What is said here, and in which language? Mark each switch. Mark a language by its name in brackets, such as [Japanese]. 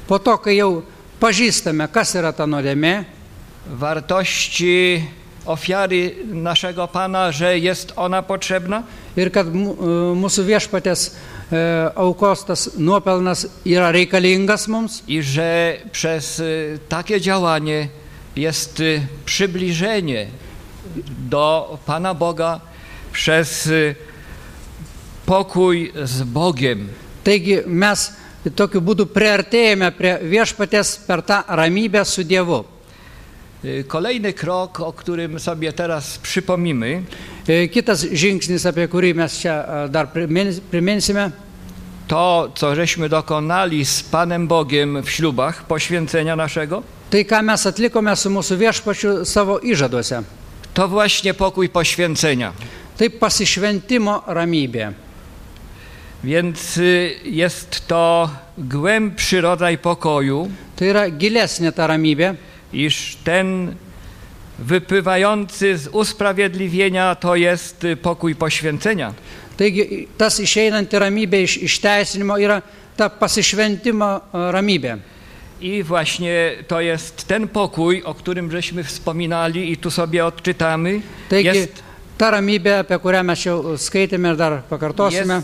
[Lithuanian] Po to, kai jau pažįstame, kas yra ta nuodėmė. [Polish] Wartości ofiary naszego Pana, że jest ona potrzebna. [Lithuanian] Ir kad mūsų viešpatės aukos tas nuopelnas yra reikalingas mums. [Polish] I że przez takie działanie jest przybliżenie do Pana Boga przez pokój z Bogiem. [Lithuanian] Taigi mes tokiu būdu priartėjame prie viešpatės per tą ramybę su Dievu. [Polish] Kolejny krok, o którym sobie teraz przypomnimy. [Lithuanian] Kitas žingsnis, apie kurį mes čia dar priminsime. [Polish] To, co żeśmy dokonali z Panem Bogiem w ślubach poświęcenia naszego. [Lithuanian] Tai, ką mes atlikome su mūsų viešpačiu savo įžaduose. [Polish] To właśnie pokój poświęcenia. [Lithuanian] Tai pasišventimo ramybė. [Polish] Więc jest to głębszy rodzaj pokoju. [Lithuanian] Tai yra gilesnė ta ramybė. [Polish] Iż ten wypływający z usprawiedliwienia to jest pokój poświęcenia. [Lithuanian] Taigi, tas išeinanti ramybė iš išteisinimo yra ta pasišventimo ramybė. [Polish] I właśnie to jest ten pokój, o którym żeśmy wspominali i tu sobie odczytamy. [Lithuanian] Taigi, [Polish] jest [Lithuanian] ta ramybė, apie kurią mes jau skaitėme ir dar pakartosime.